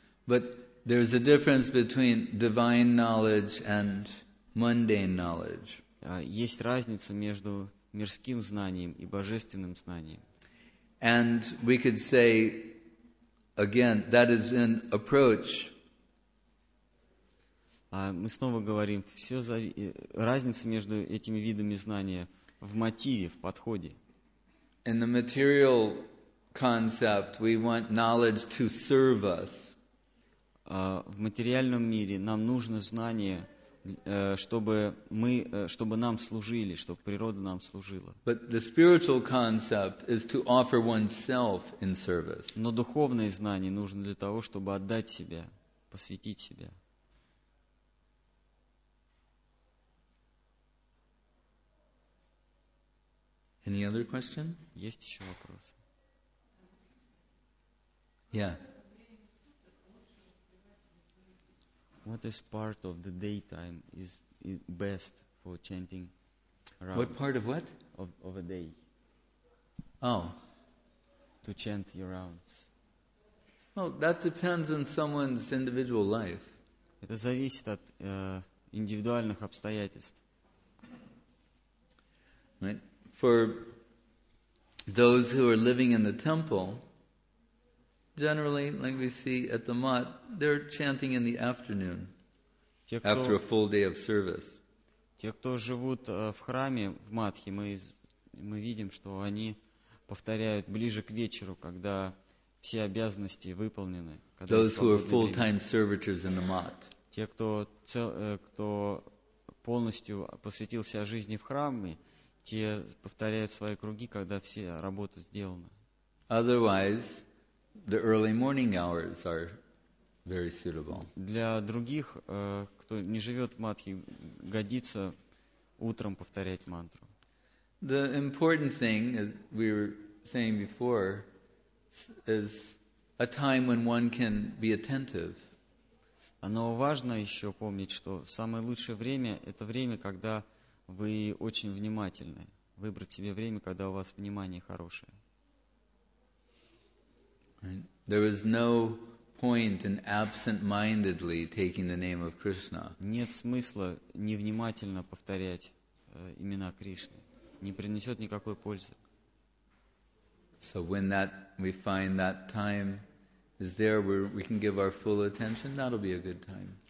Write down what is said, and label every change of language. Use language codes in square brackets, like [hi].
[en] But there's a difference between divine knowledge and mundane knowledge. [ru] Есть разница между мирским знанием и божественным знанием. [en] And we could say, again, that is an approach. [ru] Мы снова говорим, разница между этими видами знания в мотиве, в подходе. [en] In the material concept, we want knowledge to serve us. [ru] В материальном мире нам нужно знание, чтобы нам служили, чтобы природа нам служила. [en] But the spiritual concept is to offer oneself in service. [ru] Но духовное знание нужно для того, чтобы отдать себя, посвятить себя. [en] Any other question? [ru] Есть еще вопросы? [en] Yeah. What is part of the daytime is best for chanting Rama? What part of what? Of a day. Oh. To chant your rounds. Well, that depends on someone's individual life. [ru] Это зависит от индивидуальных обстоятельств. [en] Right. For those who are living in the temple, generally, like we see at the Mott, they're chanting in the afternoon, after a full day of service. [ru] Те, кто живут в храме в Матхе, мы видим, что они повторяют ближе к вечеру, когда все обязанности выполнены. [en] Those who are full-time servitors in the Mott. [ru] Те, кто полностью посвятил себя жизни в храме, те повторяют свои круги, когда все работы сделаны. [en] Otherwise, the early morning hours are very suitable. [ru] Для других, кто не живет в Матхе, годится утром повторять мантру. [en] The important thing, as we were saying before, is a time when one can be attentive. [ru] Но важно еще помнить, что самое лучшее время — это время, когда вы очень внимательны. Выбрать себе время, когда у вас внимание хорошее. [en] There is no point in absent-mindedly taking the name of Krishna. [ru] Нет смысла невнимательно повторять имена Кришны. Не принесет никакой пользы. [en] So when that we find that time is there where we can give our full attention, that'll be a good time.